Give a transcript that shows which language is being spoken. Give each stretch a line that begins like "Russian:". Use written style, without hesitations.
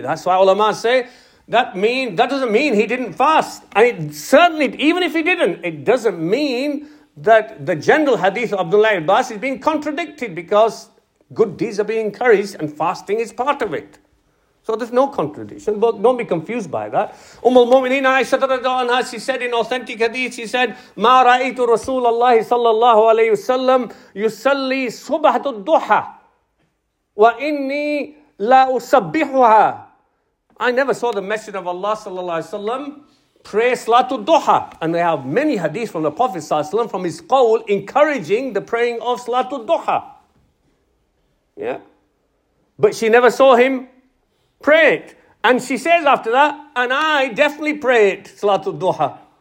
English: That's why ulama say, that doesn't mean he didn't fast. And it certainly, even if he didn't, it doesn't mean that the general hadith of Abdullah Abbas is being contradicted because good deeds are being encouraged and fasting is part of it. So there's no contradiction, but don't be confused by that. Ummul Mu'mineen Aisha radhiyallahu anha, she said in authentic hadith, she said,
Arabic: مَا رَأَيْتُ رَسُولَ اللَّهِ صَلَّى اللَّهُ عَلَيْهُ وَسَلَّمْ يُسَلِّي صُبَحَةُ الدُّحَى وَإِنِّي لَا أُسَبِّحُهَا.
English: I never saw the Messenger of Allah sallallahu alayhi wa sallam pray Salatul Duha. And they have many hadith from the Prophet sallallahu alayhi wa sallam from his qawl encouraging the praying of Salatul Duha. Yeah. But she never saw him pray it. And she says after that, and I definitely pray it, Salatul Duha.